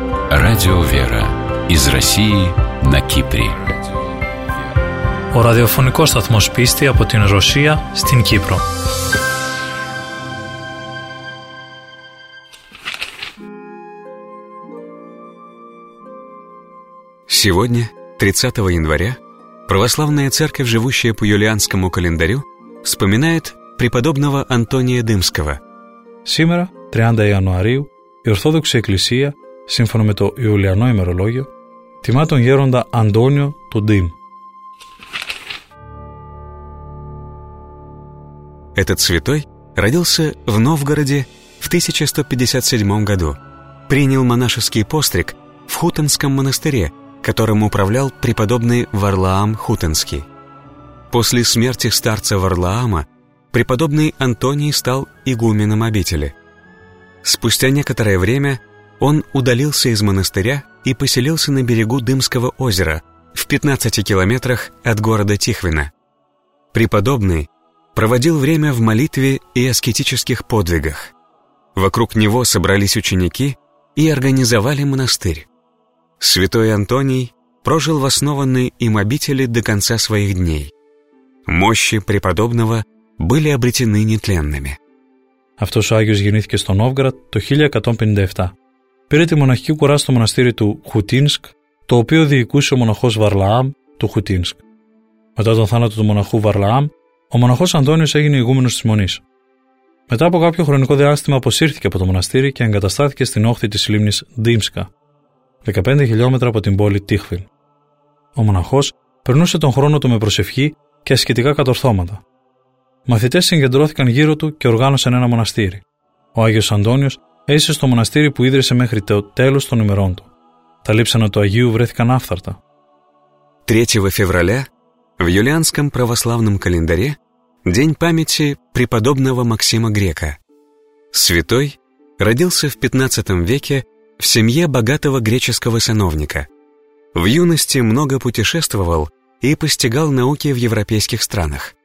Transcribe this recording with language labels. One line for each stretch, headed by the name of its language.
Russian: Радио «Вера» из России на Кипре.
Greek: Ο ραδιοφωνικός σταθμός πίστη από την Ρωσία στην Κύπρο.
Russian: Сегодня, 30 января, Православная Церковь, живущая по юлианскому календарю, вспоминает преподобного Антония Дымского. Сегодня, 30 января,
Greek: η Ορθόδοξη Εκκλησία, σύμφωνα με το Ιουλιανό ημερολόγιο, τιμά τον γέροντα Αντώνιο του Ντύμ.
Russian: Этот святой родился в Новгороде в 1157 году. Принял монашеский постриг в Хутенском монастыре, которым управлял преподобный Варлаам Хутенский. После смерти старца Варлаама преподобный Антоний стал игуменом обители. Спустя некоторое время он удалился из монастыря и поселился на берегу Дымского озера в 15 километрах от города Тихвина. Преподобный проводил время в молитве и аскетических подвигах. Вокруг него собрались ученики и организовали монастырь. Святой Антоний прожил в основанной им обители до конца своих дней. Мощи преподобного были обретены нетленными.
Greek: Αυτός ο Άγιος γεννήθηκε στο Νόβγκραντ το 1157. Πήρε τη μοναχική κουρά στο μοναστήρι του Χουτίνσκ, το οποίο διοικούσε ο μοναχός Βαρλαάμ του Χουτίνσκ. Μετά τον θάνατο του μοναχού Βαρλαάμ, ο μοναχός Αντώνιος έγινε ηγούμενος της μονής. Μετά από κάποιο χρονικό διάστημα αποσύρθηκε από το μοναστήρι και εγκαταστάθηκε στην όχθη της λίμνης Ντύμσκα, 15 χιλιόμετρα από την πόλη Τίχβιν. Ο μοναχός περνούσε τον χρόνο του με προσευχή και ασκητικά κατορθώματα. Μαθητές συγκεντρώθηκαν γύρω του και οργάνωσαν ένα μοναστήρι. Ο Άγιος Αντώνιος έζησε στο μοναστήρι που ίδρυσε μέχρι το τέλος των ημερών του. Τα λείψανα του Αγίου βρέθηκαν άφθαρτα.
Russian: 3 февраля в юлианском православном календаре день памяти преподобного Максима Грека. Святой родился в 15 веке в семье богатого греческого сановника. В юности много путешествовал и постигал науки в европейских странах.